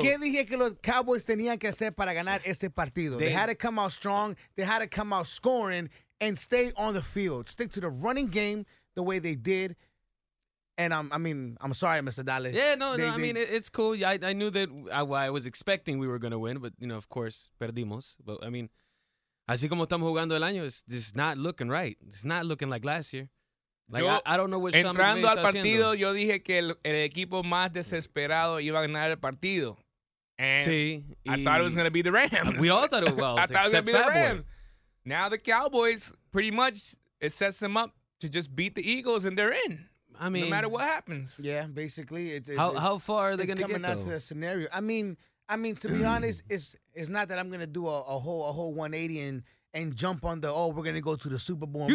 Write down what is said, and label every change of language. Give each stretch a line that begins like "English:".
Spanish: ¿Qué dije que los Cowboys tenían que hacer para ganar ese partido?
English: They had to come out strong. They had to come out scoring. And stay on the field. Stick to the running game the way they did. And I'm sorry, Mr. Dale. Yeah, no, I mean, it's cool. Yeah, I knew that I was expecting we were going to win. But, you know, of course,
Spanish: perdimos.
English: But, I mean,
Spanish: así como estamos jugando el año,
English: it's not looking right. It's not looking like last year. Like, I don't know what Sean McVay
Spanish: está haciendo. Yo dije que el equipo más desesperado iba a ganar el partido.
English: And I thought it was going to be the Rams. We all thought it was, well, I thought it was going to be the Rams. Now the Cowboys, pretty much, it sets them up to just beat the Eagles, and they're in. I mean, no matter what happens. Yeah, basically, how far are they going to get? It's coming out to that scenario. I mean, to be honest, it's not that I'm going to do a whole 180 and jump on the we're going to go to the Super Bowl.